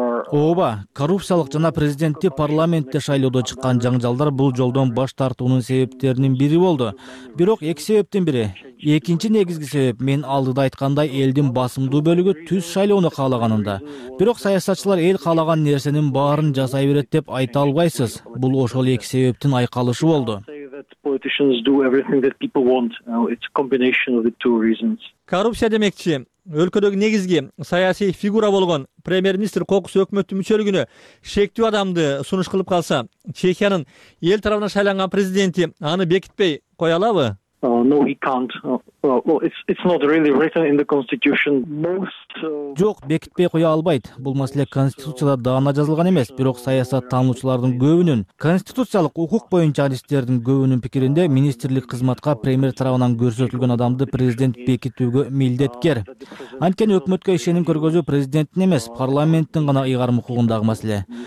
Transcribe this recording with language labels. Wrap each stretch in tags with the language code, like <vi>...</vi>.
<ky>Ооба, коррупциялык жана президентти парламентте шайлоодо чыккан жаңжалдар бул жолдон баш тартуунун себептеринин бири болду. Бирок эки себептин бири. Экинчи негизги себеп мен алдыда айткандай элдин басымдуу бөлүгү түз шайлоону каалаганында. Бирок саясатчылар эл каалаган нерсенин баарын жасай берет деп айта албайсыз. Бул ошол эки себептин айкалышы болду.</ky> <en>Politicians do everything that people want. It's a combination of the two reasons.</en> <ky>Коррупция демекчи, өлкөдөгү негизги саясий фигура болгон премьер-министр кокус өкмөттүн мүчөлүгүнө шектүү адамды сунуш кылып калса, Чехиянын эл тарабынан шайланган президенти аны бекитпей кое алабы?</ky> <en>No, he can't. It's not really written in the constitution.</en> <ky>Жок, бекитпей кое албайт. Бул маселе конституцияда даана жазылган эмес, бирок саясат таануучулардын көбүнүн, конституциялык укук боюнча адистердин көбүнүн пикиринде министрлик кызматка премьер тарабынан көрсөтүлгөн адамды президент бекитүүгө милдеткер. Анткени өкмөткө ишеним көргөзүү президенттин эмес, парламенттин гана ыйгарым укугундагы маселе.</ky>